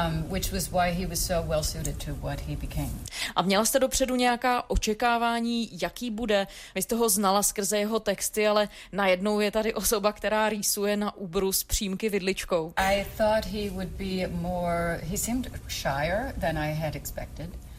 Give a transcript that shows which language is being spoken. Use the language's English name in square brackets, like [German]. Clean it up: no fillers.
[English] Which was why he was so well suited to what he became. [Czech] A měla jste dopředu nějaká očekávání, jaký bude? Vy jste ho znala skrze jeho texty, ale najednou je tady osoba, která rýsuje na ubrus přímky vidličkou. [English] I thought he would be more, he seemed shyer than I had expected.